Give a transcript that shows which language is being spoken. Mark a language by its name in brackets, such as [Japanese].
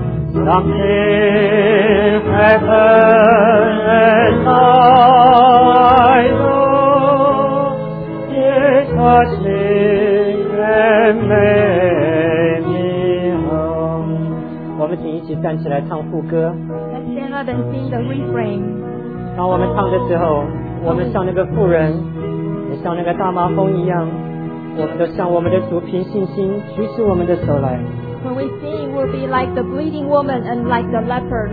[English] Something happened and I know it was me that made me home. [Chinese] 我们请一起站起来唱副歌。 [English] Let's stand up and sing the refrain. [Chinese] 当我们唱的时候，我们像那个妇人，也像那个大麻风一样。我们都向我们的主凭信心举起我们的手来。 [English] When we sing, we'll be like the bleeding woman and like the leper.